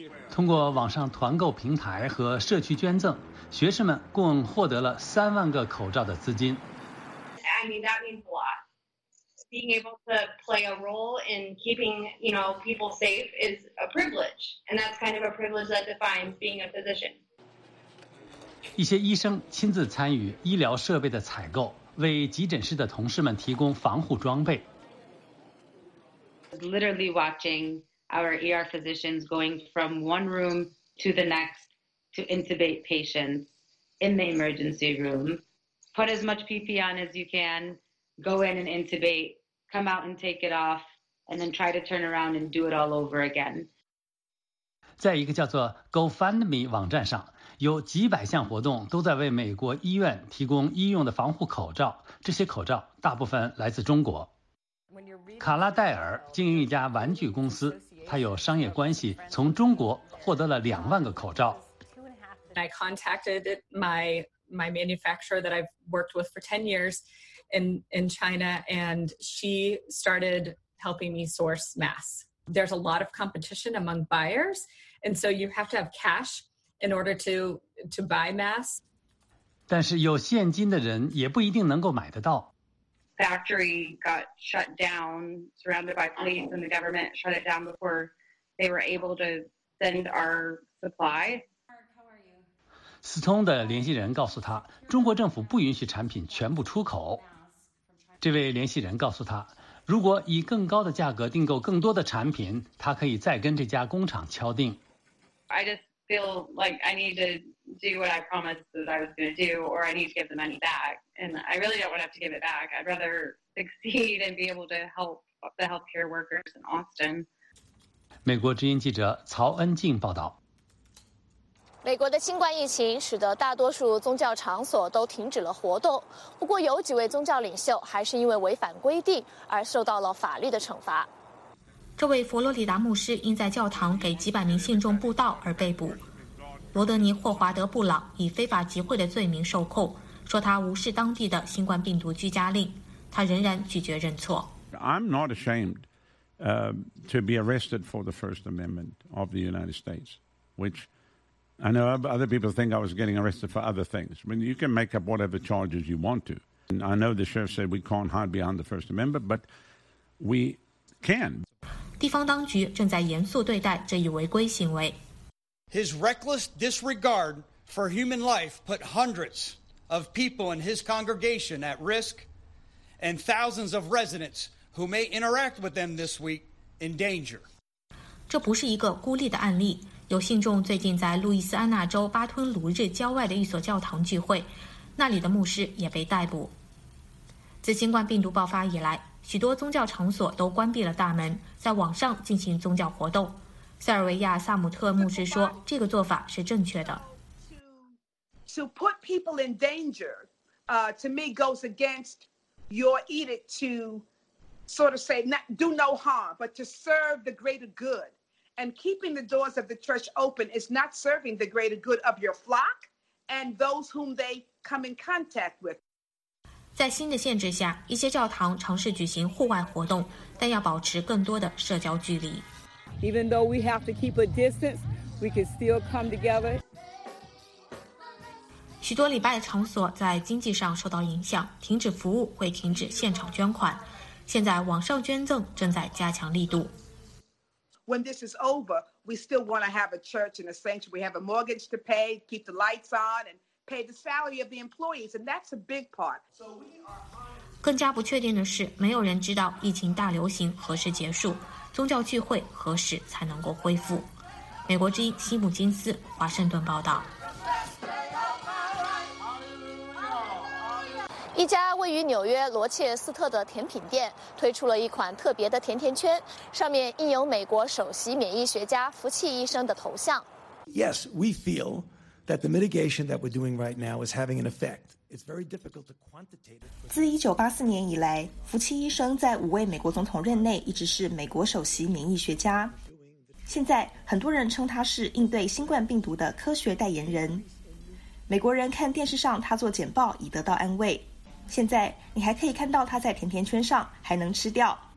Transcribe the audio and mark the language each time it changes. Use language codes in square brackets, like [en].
[zh] 通过网上团购平台和社区捐赠，学生们共获得了30,000个口罩的资金。 [en] Being able to play a role in keeping, you know, people safe is a privilege, and that's kind of a privilege that defines being a physician. [zh] 一些医生亲自参与医疗设备的采购，为急诊室的同事们提供防护装备。 [en] Literally watching. Our ER physicians going from one room to the next to intubate patients in the emergency room. Put as much PPE on as you can, go in and intubate, come out and take it off, and then try to turn around and do it all over again. [zh] 在一个叫做 GoFundMe 网站上，有几百项活动都在为美国医院提供医用的防护口罩，这些口罩大部分来自中国。卡拉戴尔经营一家玩具公司，他有商业关系，从中国获得了20,000个口罩。 [en] I contacted my manufacturer that I've worked with for 10 years in China, and she started helping me source masks. There's a lot of competition among buyers, and so you have to have cash in order to buy masks. [zh] 但是有现金的人也不一定能够买得到。 [en] Factory got shut down, surrounded by police, and the government shut it down before they were able to send our supply. [zh] 斯通的联系人告诉他，中国政府不允许产品全部出口。这位联系人告诉他，如果以更高的价格订购更多的产品，他可以再跟这家工厂敲定。 [en] I just feel like I need to do what I promised that I was going to do, or I need to give the money back. And I really don't want to have to give it back. I'd rather succeed and be able to help the healthcare workers in Austin. [zh] 美国之音记者曹恩静报道。美国的新冠疫情使得大多数宗教场所都停止了活动，不过有几位宗教领袖还是因为违反规定而受到了法律的惩罚。这位佛罗里达牧师因在教堂给几百名信众布道而被捕，罗德尼·霍华德·布朗以非法集会的罪名受控，说他无视当地的新冠病毒居家令，他仍然拒绝认错。 [en] I'm not ashamed to be arrested for the First Amendment of the United States, whichI know other people think I was getting arrested for other things. I mean, you can make up whatever charges you want to. And I know the sheriff said we can't hide behind the First Amendment, but we can. [zh] 地方当局正在严肃对待这一违规行为。 [en] His reckless disregard for human life put hundreds of people in his congregation at risk and thousands of residents who may interact with them this week in danger. [zh] 这不是一个孤立的案例。有信众最近在路易斯安那州巴吞卢日郊外的一所教堂聚会，那里的牧师也被逮捕。自新冠病毒爆发以来，许多宗教场所都关闭了大门，在网上进行宗教活动。塞尔维亚·萨姆特牧师说，这个做法是正确的。 [en] To put people in danger, to me goes against your edict to sort of say not, do no harm, but to serve the greater good. And keeping the doors of the church open is not serving the greater good of your flock and those whom they come in contact with. [zh] 在新的限制下，一些教堂尝试举行户外活动，但要保持更多的社交距离。 [en] Even though we have to keep a distance, we can still come together. [zh] 许多礼拜场所在经济上受到影响，停止服务会停止现场捐款。现在网上捐赠正在加强力度。 [en] When this is over, we still want to have a church and a sanctuary. We have a mortgage to pay, keep the lights on, and pay the salary of the employees, and that's a big part. [zh] 更加不确定的是，没有人知道疫情大流行何时结束，宗教聚会何时才能够恢复。美国之音西姆金斯，华盛顿报道。一家位于纽约罗切斯特的甜品店推出了一款特别的甜甜圈，上面印有美国首席免疫学家福契医生的头像。 [en] Yes, we feel that the mitigation that we're doing right now is having an effect. It's very difficult to quantitate. [zh] 自1984年以来，福契医生在五位美国总统任内一直是美国首席免疫学家。现在很多人称他是应对新冠病毒的科学代言人。美国人看电视上他做简报以得到安慰。现在你还可以看到它在甜甜圈上还能吃掉。